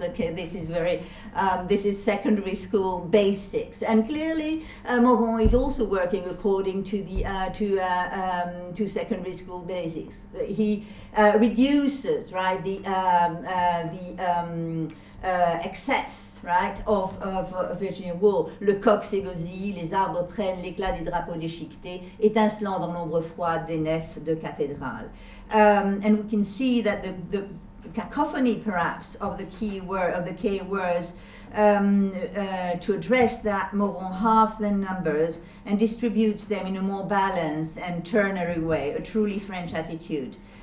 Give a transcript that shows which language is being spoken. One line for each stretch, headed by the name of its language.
English: Okay, this is very, this is secondary school basics. And clearly, Morgan is also working according to the to secondary school basics. He reduces, right, the excess, right, of Virginia Woolf.
French: Le coq s'égosille, les arbres prennent l'éclat des drapeaux déchiquetés, étincelant dans l'ombre froide des nefs de cathédrales.
English: And we can see that the cacophony, perhaps, of the key words, to address that, Morgan halves their numbers and distributes them in a more balanced and ternary way, a truly French attitude.